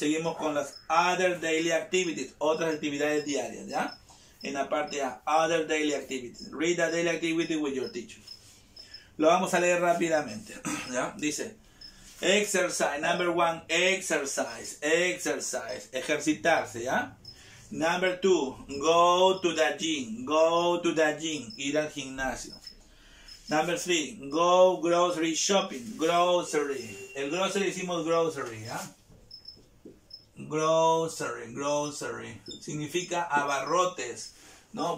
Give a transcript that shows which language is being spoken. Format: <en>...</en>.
<es>Seguimos con las</es> <en>other daily activities,</en> <es>otras actividades diarias, ¿ya? En la parte A,</es> <en>other daily activities. Read the daily activity with your teacher.</en> <es>Lo vamos a leer rápidamente, ¿ya?</es> <en>Dice, exercise, number one, exercise, exercise,</en> <es>ejercitarse, ¿ya?</es> <en>Number two, go to the gym, go to the gym,</en> <es>ir al gimnasio.</es> <en>Number 3, go grocery shopping, grocery.</en> <es>El grocery decimos grocery, ¿ya? Grocery, grocery. Significa abarrotes, ¿no?</es>